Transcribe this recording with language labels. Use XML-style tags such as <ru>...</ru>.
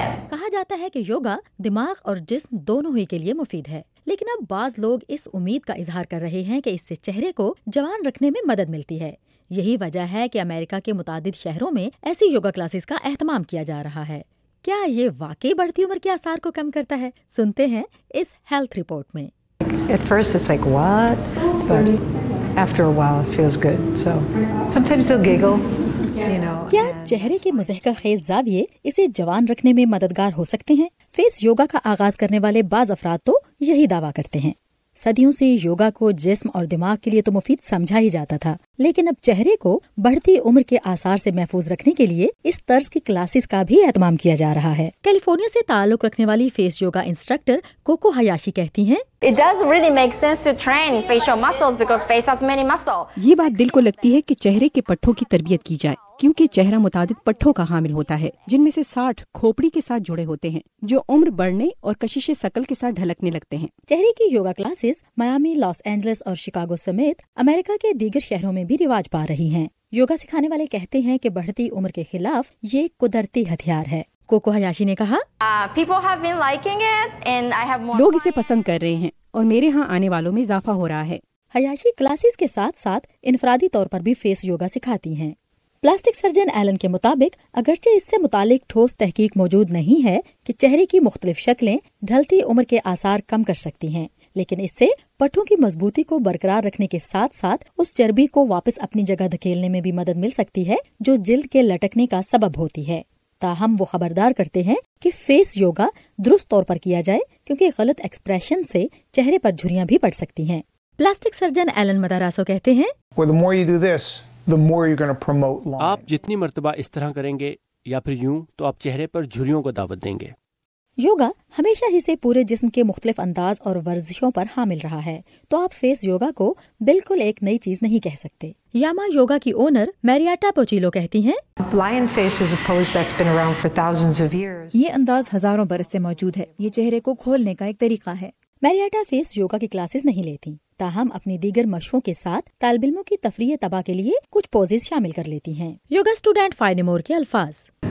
<ur>کہا جاتا ہے کہ یوگا دماغ اور جسم دونوں ہی کے لیے مفید ہے, لیکن اب بعض لوگ اس امید کا اظہار کر رہے ہیں کہ اس سے چہرے کو جوان رکھنے میں مدد ملتی ہے. یہی وجہ ہے کہ امریکہ کے متعدد شہروں میں ایسی یوگا کلاسز کا اہتمام کیا جا رہا ہے. کیا یہ واقعی بڑھتی عمر کے اثر کو کم کرتا ہے؟ سنتے ہیں اس ہیلتھ رپورٹ میں.</ur> <en>At first it's like what, but after a while it feels good, so sometimes they'll giggle, you know.</en> <ur>کیا چہرے کے مضحکہ خیز زاویے اسے جوان رکھنے میں مددگار ہو سکتے ہیں؟ فیس یوگا کا آغاز کرنے والے بعض افراد تو یہی دعویٰ کرتے ہیں. صدیوں سے یوگا کو جسم اور دماغ کے لیے تو مفید سمجھا ہی جاتا تھا, لیکن اب چہرے کو بڑھتی عمر کے آثار سے محفوظ رکھنے کے لیے اس طرز کی کلاسز کا بھی اہتمام کیا جا رہا ہے. کیلیفورنیا سے تعلق رکھنے والی فیس یوگا انسٹرکٹر کوکو ہیاشی کہتی ہیں,</ur> <en>It doesn't really make sense to train facial muscles because face has many muscles.</en> <ur>یہ بات دل کو لگتی ہے کہ چہرے کے پٹھوں کی تربیت کی جائے, کیونکہ چہرہ متعدد پٹھوں کا حامل ہوتا ہے جن میں سے 60 کھوپڑی کے ساتھ جڑے ہوتے ہیں جو عمر بڑھنے اور کشش ثقل کے ساتھ ڈھلکنے لگتے ہیں. چہرے کی yoga classes Miami, Los Angeles اور شکاگو سمیت امریکہ کے دیگر شہروں میں بھی رواج پا رہی ہیں. یوگا سکھانے والے کہتے ہیں کہ بڑھتی عمر کے خلاف یہ قدرتی ہتھیار ہے. کوکو ہیاشی نے کہا,</ur> <en>People have been liking it and I have more</en> <ur>لوگ اسے پسند کر رہے ہیں اور میرے ہاں آنے والوں میں اضافہ ہو رہا ہے. ہیاشی کلاسز کے ساتھ ساتھ انفرادی طور پر بھی فیس یوگا سکھاتی ہیں. پلاسٹک سرجن ایلن کے مطابق اگرچہ اس سے متعلق ٹھوس تحقیق موجود نہیں ہے کہ چہرے کی مختلف شکلیں ڈھلتی عمر کے آثار کم کر سکتی ہیں, لیکن اس سے پٹھوں کی مضبوطی کو برقرار رکھنے کے ساتھ ساتھ اس چربی کو واپس اپنی جگہ دھکیلنے میں بھی مدد مل سکتی ہے جو جلد کے لٹکنے کا سبب ہوتی ہے. تاہم وہ خبردار کرتے ہیں کہ فیس یوگا درست طور پر کیا جائے, کیونکہ غلط ایکسپریشن سے چہرے پر جھریاں بھی پڑ سکتی ہیں. پلاسٹک سرجن ایلن مداراسو کہتے ہیں, آپ جتنی مرتبہ اس طرح کریں گے یا پھر یوں, تو آپ چہرے پر جھریوں کو دعوت دیں گے. یوگا ہمیشہ ہی سے پورے جسم کے مختلف انداز اور ورزشوں پر حامل رہا ہے, تو آپ فیس یوگا کو بالکل ایک نئی چیز نہیں کہہ سکتے. یاما یوگا کی اونر میریاٹا پوچیلو کہتی ہیں,</ur> <en>Lion face is a pose that's been around for thousands of years.</en> <ur>یہ انداز ہزاروں برس سے موجود ہے, یہ چہرے کو کھولنے کا ایک طریقہ ہے. میریاٹا فیس یوگا کی کلاسز نہیں لیتی, تاہم اپنی دیگر مشقوں کے ساتھ طالب علموں کی تفریح طبع کے لیے کچھ پوزز شامل کر لیتی ہیں. یوگا اسٹوڈینٹ فائنیمور کے الفاظ,</ur>